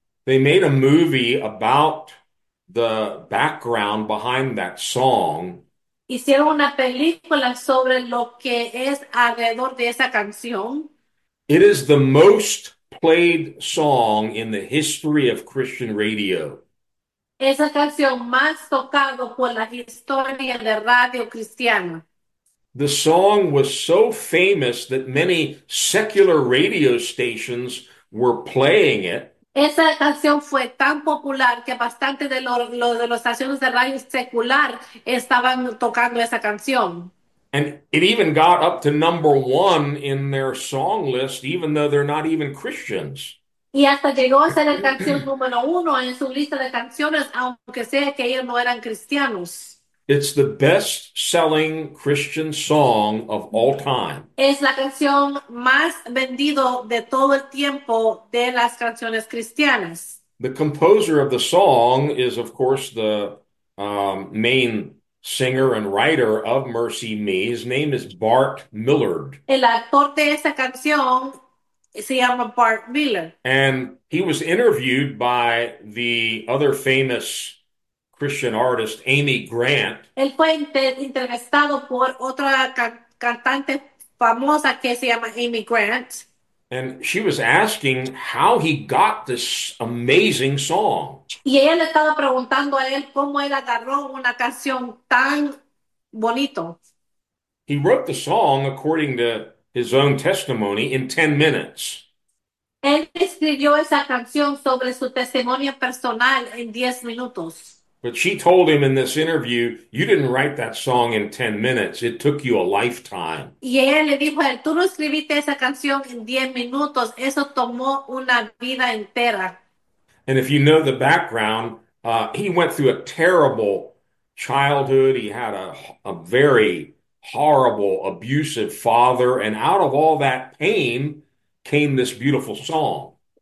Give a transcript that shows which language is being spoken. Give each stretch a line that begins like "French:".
English: They made a movie about the background behind that song.
Spanish: Hicieron una película sobre lo que es alrededor de esa canción.
English: It is the most played song in the history of Christian radio.
Spanish: Esa canción más tocado por la historia de radio cristiana.
English: The song was so famous that many secular radio stations were playing it.
Spanish: Esa canción fue tan popular que bastante de las estaciones de radio secular estaban tocando esa canción.
English: And it even got up to number one in their song list, even though they're not even Christians.
Spanish: Y hasta llegó a ser la canción número uno en su lista de canciones, aunque sea que ellos no eran cristianos.
English: It's the best-selling Christian song of all time.
Spanish: Es la canción más vendida de todo el tiempo de las canciones cristianas.
English: The composer of the song is, of course, the main singer and writer of Mercy Me. His name is Bart Millard.
Spanish: El actor de esa canción se llama Bart Miller.
English: And he was interviewed by the other famous Christian artist, Amy Grant.
Spanish: Él fue entrevistado por otra cantante famosa que se llama Amy Grant.
English: And she was asking how he got this amazing song.
Spanish: Y ella le estaba preguntando a él cómo él agarró una canción tan bonito.
English: He wrote the song, according to his own testimony, in 10 minutes.
Spanish: Él escribió esa canción sobre su testimonio personal en 10 minutos.
English: But she told him in this interview, "You didn't write that song in 10 minutes. It took you a lifetime."
Spanish: Y ella le dijo a él, tú no escribiste esa canción en 10 minutos, eso tomó una vida entera.
English: And if you know the background, he went through a terrible childhood. He had a very horrible, abusive father, and out of all that pain came this beautiful song.